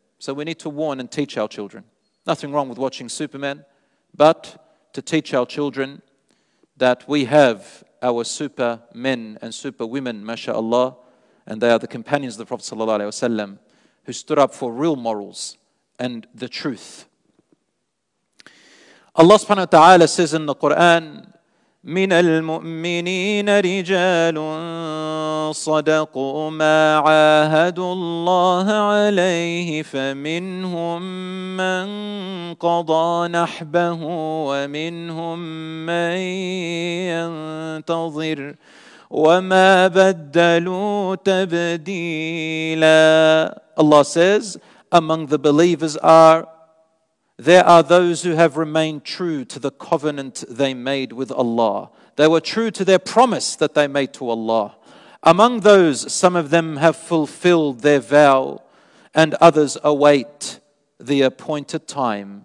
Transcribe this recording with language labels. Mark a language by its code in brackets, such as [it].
[en] So we need to warn and teach our children. Nothing wrong with watching Superman, but to teach our children that we have our super men and super women, mashallah, and they are the companions of the Prophet sallallahu alaihi wasallam, who stood up for real morals and the truth. Allah subhanahu wa ta'ala says in the Quran, [ar] مِنَ الْمُؤْمِنِينَ رِجَالٌ صَدَقُوا مَا عَاهَدُوا اللَّهَ عَلَيْهِ فَمِنْهُمْ مَنْ قَضَى نَحْبَهُ وَمِنْهُمْ مَنْ يَنْتَظِرُ وَمَا بَدَّلُوا تَبْدِيلًا. [en] Allah says, among the believers there are those who have remained true to the covenant they made with Allah. They were true to their promise that they made to Allah. Among those, some of them have fulfilled their vow and others await the appointed time.